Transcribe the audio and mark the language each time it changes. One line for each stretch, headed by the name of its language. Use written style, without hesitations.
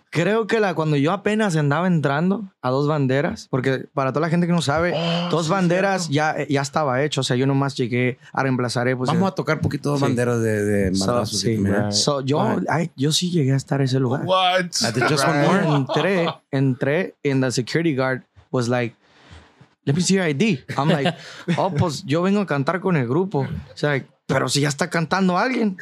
Spanish: Creo que cuando yo apenas andaba entrando a Dos Banderas, porque para toda la gente que no sabe, Banderas ya estaba hecho. O sea, yo nomás llegué a reemplazar. Vamos a tocar poquito Dos Banderas de Madrazo. Sí, yo sí llegué a estar en ese lugar.
English: What? At the Just One More?
Spanish: Entré
English: and the security guard was like, let me see your ID. I'm like,
Spanish: pues yo vengo a cantar con el grupo. O sea, pero si ya está cantando alguien.